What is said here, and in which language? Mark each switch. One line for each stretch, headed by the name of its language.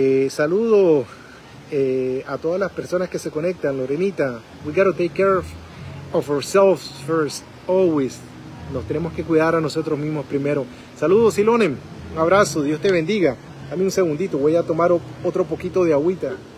Spanish: Saludo a todas las personas que se conectan.
English: Lorenita, we gotta take care of ourselves first, always.
Spanish: Nos tenemos que cuidar a nosotros mismos primero. Saludos, Silonem, un abrazo, Dios te bendiga. Dame un segundito, voy a tomar otro poquito de agüita.